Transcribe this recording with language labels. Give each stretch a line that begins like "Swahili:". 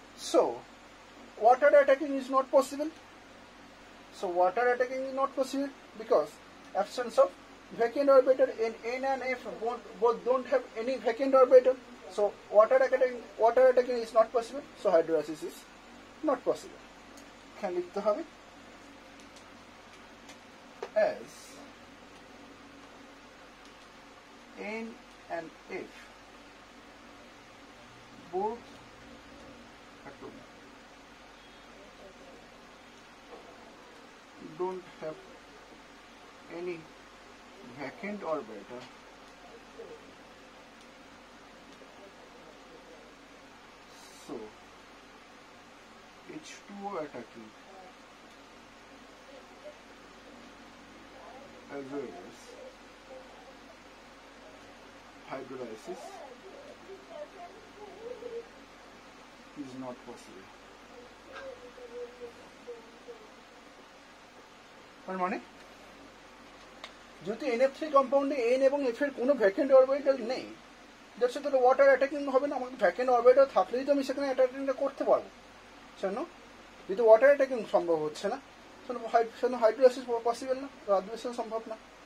English: So water attacking is not possible, so water attacking is not possible because absence of vacant orbital, N N and F both don't have any vacant orbital, so water attacking, water attacking is not possible, so hydrolysis is not possible.
Bangla: এখানে লিখতে হবে
English: As N and F both atoms don't have any vacant orbital, so H2O attacking as well as hydrolysis is not possible.
Bangla: তার মানে যদি NF3 কম্পাউন্ডে N এবং F এর কোনো vacant orbital নেই,
English: that's it,
Bangla: ওয়াটার অ্যাটাকিং হবে না। আমাকে ভ্যাকেন্ট অরবিটাল থাকলেই তো আমি সেখানে অ্যাটাকিংটা করতে পারবো, শোন, যদি ওয়াটার অ্যাটাকিং সম্ভব হচ্ছে না, শোন, হাইড্রোলাইসিস পসিবল না, রাদমিশন সম্ভব না।